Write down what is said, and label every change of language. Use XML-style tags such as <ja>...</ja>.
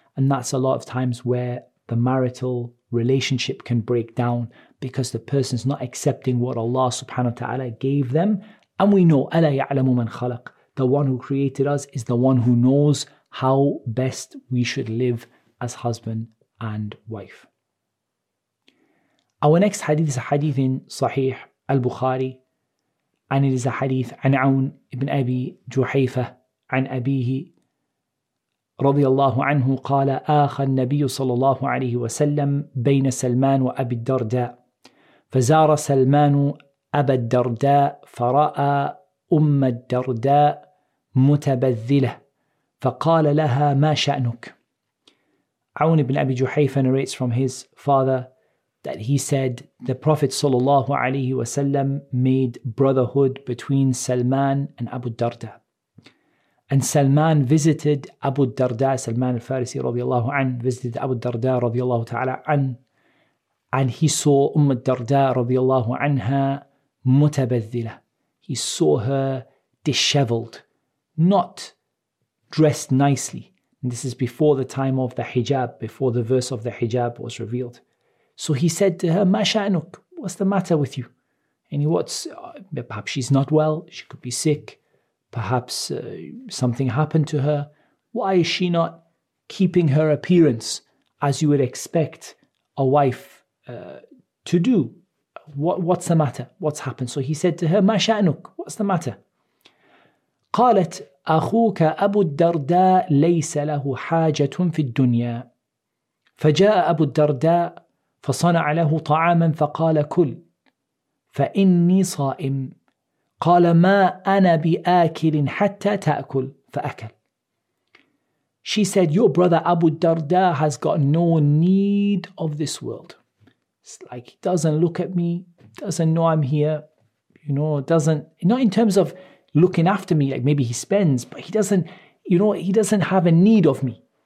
<en>And that's a lot of times where the marital relationship can break down because the person's not accepting what Allah subhanahu wa ta'ala gave them. And we know,</en> <ar>أَلَا يَعْلَمُ مَنْ خَلَقَ,</ar> <en>the one who created us is the one who knows how best we should live as husband and wife. Our next hadith is a hadith</en> <ar>in Sahih al-Bukhari, and it is a hadith عن عون ابن أبي جحيفة عن أبيه رضي الله عنه قال آخى النبي صلى الله عليه وسلم بين سلمان وأبي الدرداء فزار سلمان أبا الدرداء فرأى أم الدرداء متبذلة فقال لها ما شأنك.</ar> <en>عون ابن أبي جحيفة narrates from his father that he said the Prophet sallallahu alaihi wasallam made brotherhood between Salman and Abu Darda, and Salman visited Abu Darda. Salman al-Farisi radiyallahu an visited Abu Darda radiyallahu ta'ala an, and he saw Umm al-Darda radiyallahu anha mutabadhila. He saw her disheveled, not dressed nicely. And this is before the time of the hijab, before the verse of the hijab was revealed. So he said to her,</en> <ar>ما شأنك,</ar> <en>what's the matter with you? And he, what's, perhaps she's not well, she could be sick, perhaps something happened to her. Why is she not keeping her appearance as you would expect a wife to do? What's the matter? What's happened? So he said to her,</en> <ar>ما شأنك,</ar> <en>what's the matter?</en> <ar>قالت أخوك أبو الدرداء ليس له حاجة في الدنيا فجاء أبو الدرداء فصنع له طعاما فقال كل فإني صائم قال ما أنا بآكل حتى تأكل فأكل.</ar> <en>She said, your brother Abu Darda has got no need of this world. It's like he doesn't look at me, doesn't know I'm here, you know, doesn't, not in terms of looking after me, like maybe he spends, but he doesn't, you know, he doesn't have a need of me.</en>